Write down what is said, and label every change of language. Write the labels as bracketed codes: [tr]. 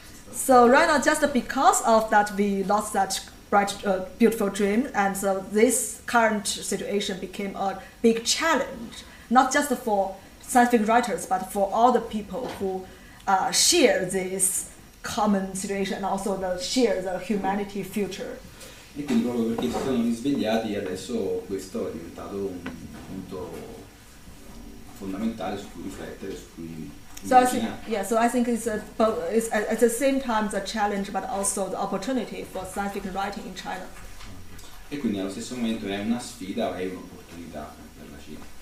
[en] So right now, just because of that, we lost that bright, beautiful dream, and so this current situation became a big challenge, not just for science fiction writers, but for all the people who share this common situation, and also share the humanity future. [it] E quindi proprio perché si sono risvegliati, adesso questo è diventato un punto fondamentale su cui riflettere, su cui [en] at the same time the challenge but also the opportunity for science fiction writing in China. [it] E quindi allo stesso momento è una sfida o è un'opportunità per la Cina?